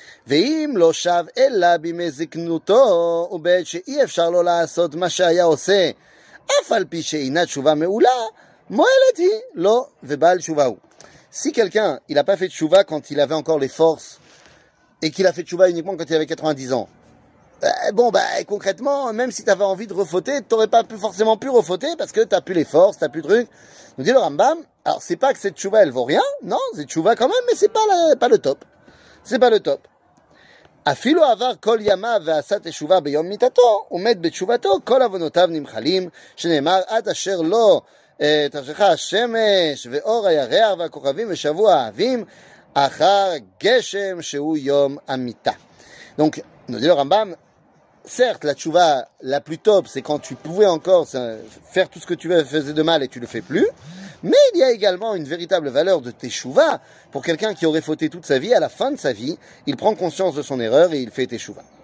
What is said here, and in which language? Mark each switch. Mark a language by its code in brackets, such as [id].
[he] ואם לא שב אלא בימי זקנותו, ובעת שאי אפשר לו לעשות מה שהיה עושה, אף על פי שאינה תשובה מעולה, מועלת היא לא ובעל תשובה הוא. [fr] Si quelqu'un, il a pas fait תשובה quand il avait encore les forces, et qu'il a fait תשובה uniquement quand il avait 90 ans, bon, bah, concrètement, même si tu avais envie de refauter, tu n'aurais pas pu forcément pu refauter, parce que tu n'as plus les forces, tu n'as plus de trucs. Nous dit le Rambam, alors c'est pas que cette תשובה, elle vaut rien, non, c'est תשובה quand même, mais c'est pas le top. C'est pas le top. [he] אפילו עבר כל ימיו ועשה תשובה ביום מיטתו, ומת בתשובתו, כל עוונותיו נמחלים, שנאמר, עד אשר לא תחשך השמש ואור הירח והכוכבים ושבוע האבים, אחר גשם שהוא יום המיטה. [fr] Donc, nous dit le Rambam, certes, la תשובה, la plus top, c'est quand tu pouvais encore faire tout ce que tu faisais de mal et tu le fais plus, mais il y a également une véritable valeur de teshuva pour quelqu'un qui aurait fauté toute sa vie. À la fin de sa vie, il prend conscience de son erreur et il fait teshuva.